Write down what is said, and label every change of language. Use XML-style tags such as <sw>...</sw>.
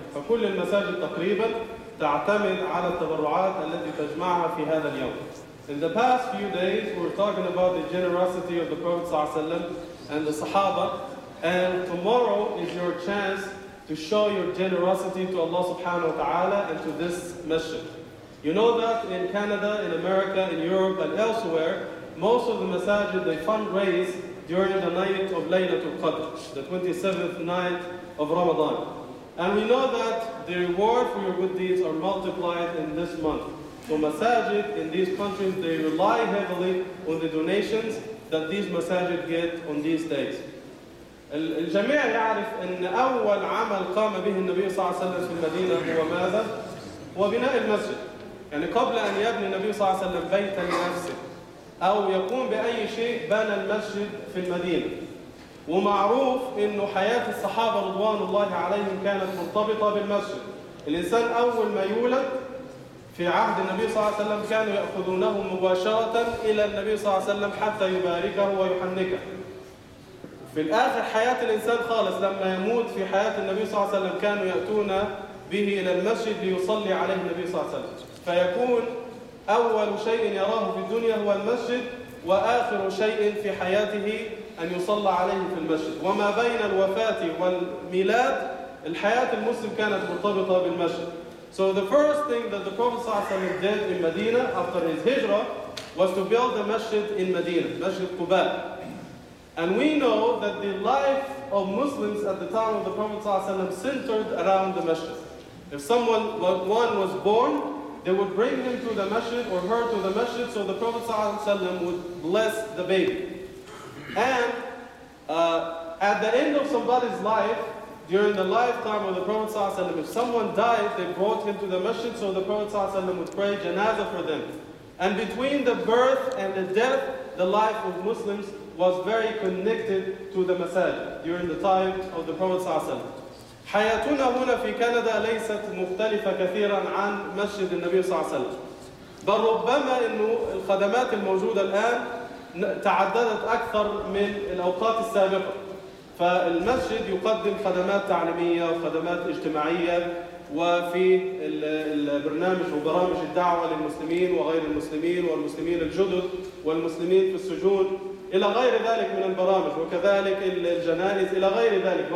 <ar>فكل المساجد تقريبا تعتمد على التبرعات التي تجمعها في هذا اليوم.</ar> <en>In the past few days, we're talking about the generosity of the Prophet ﷺ and the Sahaba. And tomorrow is your chance to show your generosity to Allah subhanahu wa ta'ala and to this masjid. You know that in Canada, in America, in Europe, and elsewhere, most of the masajid, they fundraise during the night of Laylatul Qadr, the 27th night of Ramadan. And we know that the reward for your good deeds are multiplied in this month. So masajid in these countries, they rely heavily on the donations that these masajid get on these days.</en> <ar>الجميع يعرف أن أول عمل قام به النبي صلى الله عليه وسلم في المدينة هو ماذا؟ هو بناء المسجد. يعني قبل أن يبني النبي صلى الله عليه وسلم بيتا لنفسه أو يقوم بأي شيء، بنى المسجد في المدينة. ومعروف أن حياة الصحابة رضوان الله عليهم كانت مرتبطة بالمسجد. الإنسان أول ما يولد في عهد النبي صلى الله عليه وسلم كانوا يأخذونه مباشرة إلى النبي صلى الله عليه وسلم حتى يباركه ويحنكه. في الآخر حياة الإنسان خالص لما يموت في حياة النبي صلى الله عليه وسلم كانوا يأتون به إلى المسجد ليصلي عليه النبي صلى الله عليه وسلم. فيكون أول شيء يراه في الدنيا هو المسجد، وآخر شيء في حياته أن يصلى عليه في المسجد. وما بين الوفاة والميلاد الحياة المسلم كانت مرتبطة بالمسجد.</ar> <en>So the first thing that the Prophet ﷺ did in Medina after his hijrah was to build a masjid in Medina, Masjid Quba. And we know that the life of Muslims at the time of the Prophet ﷺ centered around the masjid. If someone, one was born, they would bring him to the masjid or her to the masjid so the Prophet ﷺ would bless the baby. And at the end of somebody's life, during the lifetime of the Prophet ﷺ, if someone died, they brought him to the masjid so the Prophet ﷺ would pray janazah for them. And between the birth and the death, the life of Muslims was very connected to the masajid during the time of the Prophet ﷺ.</en> <ar>حياتنا هنا في كندا ليست مختلفة كثيرا عن مسجد النبي صلى الله عليه وسلم. بل ربما إنه الخدمات الموجودة الآن تعددت أكثر من الأوقات السابقة. فالمسجد يقدم خدمات تعليمية وخدمات اجتماعية وفي البرنامج وبرامج الدعوة للمسلمين وغير المسلمين والمسلمين الجدد والمسلمين في السجون إلى غير ذلك من البرامج، وكذلك الجنائز إلى غير ذلك.</ar>